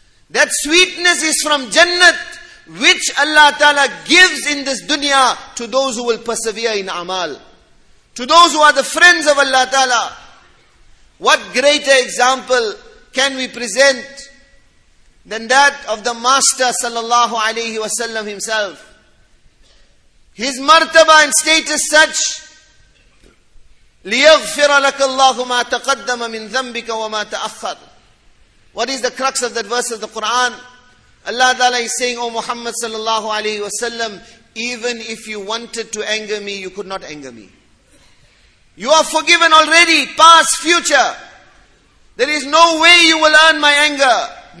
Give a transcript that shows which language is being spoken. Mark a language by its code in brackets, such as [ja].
[en] That sweetness is from Jannat, which Allah Ta'ala gives in this dunya to those who will persevere in amal. To those who are the friends of Allah Ta'ala. What greater example can we present than that of the Master sallallahu alayhi wa sallam himself? His martaba and status such, [ar] لِيَغْفِرَ لَكَ اللَّهُ مَا تَقَدَّمَ مِنْ ذَنْبِكَ وَمَا تَأَخَّرَ. [en] What is the crux of that verse of the Quran? Allah Ta'ala is saying, O Muhammad sallallahu alayhi wa sallam, even if you wanted to anger me, you could not anger me. You are forgiven already, past, future. There is no way you will earn my anger.